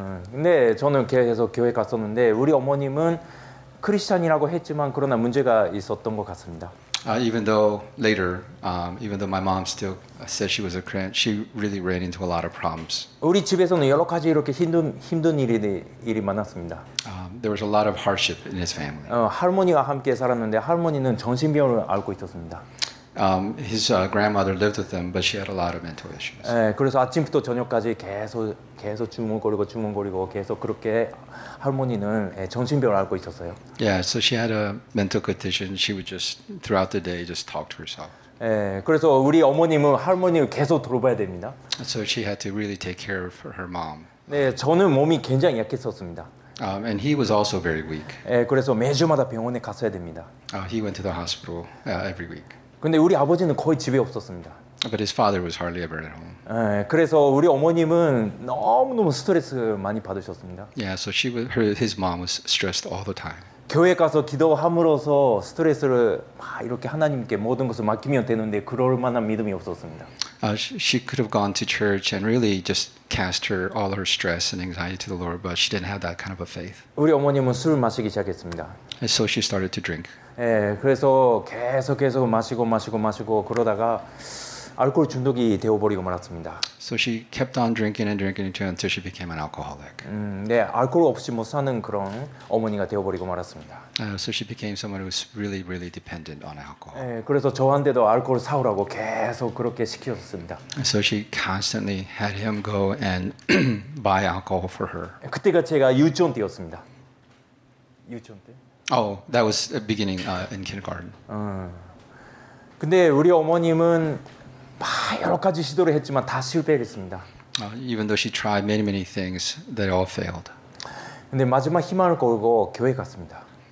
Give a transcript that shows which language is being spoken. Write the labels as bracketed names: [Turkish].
[Korean] 근데 저는 계속 교회 갔었는데 우리 어머님은 크리스천이라고 했지만 그러나 문제가 있었던 것 같습니다. [English] Even though later, even though my mom still said she was a Christian, she really ran into a lot of problems. [Korean] 우리 집에서는 여러 가지 이렇게 힘든 일이 많았습니다. [English] There was a lot of hardship in his family. [Korean] 할머니와 함께 살았는데 할머니는 정신병을 앓고 있었습니다. [English] His grandmother lived with him, but she had a lot of mental issues. [Korean] 예, 그래서 아침부터 저녁까지 계속 주문거리고 계속 그렇게 할머니는 정신병을 앓고 있었어요. [English] Yeah, so she had a mental condition. She would just throughout the day just talk to herself. [Korean] 예, 그래서 우리 어머님은 할머니를 계속 돌봐야 됩니다. [English] So she had to really take care of her mom. [Korean] 네, 저는 몸이 굉장히 약했었습니다. [English] And he was also very weak. [Korean] 예, 그래서 매주마다 병원에 갔어야 됩니다. [English] He went to the hospital every week. [Korean] 근데 우리 아버지는 거의 집에 없었습니다. [English] But his father was hardly ever at home. [Korean] 그래서 우리 어머님은 너무 스트레스 많이 받으셨습니다. [English] Yeah, so she was, his mom was stressed all the time. [Korean] 교회 가서 기도함으로써 스트레스를 막 이렇게 하나님께 모든 것을 맡기면 되는데 그럴 만한 믿음이 없었습니다. [English] She could have gone to church and really just cast her all her stress and anxiety to the Lord, but she didn't have that kind of a faith. [Korean] 우리 어머님은 술을 마시기 시작했습니다. [English] And so she started to drink. [Korean] 예, 그래서 계속 마시고 그러다가 알코올 중독이 되어 버리고 말았습니다. [English] So she kept on drinking and drinking until she became an alcoholic. [Korean] 네, 알코올 없이 못 사는 그런 어머니가 되어 버리고 말았습니다. [English] So she became someone who was really dependent on alcohol. [Korean] 예, 그래서 저한테도 알코올 사오라고 계속 그렇게 시켰습니다. [English] So she constantly had him go and buy alcohol for her. [Korean] 그때가 제가 유치원 때였습니다. 유치원 때 [English] Oh, that was a beginning in kindergarten. [Korean] 근데 우리 어머님은 막 여러 가지 시도를 했지만 다 실패했습니다. [English] Even though she tried many things, they all failed. [Korean] 근데 마지막 희망을 걸고 교회 갔습니다.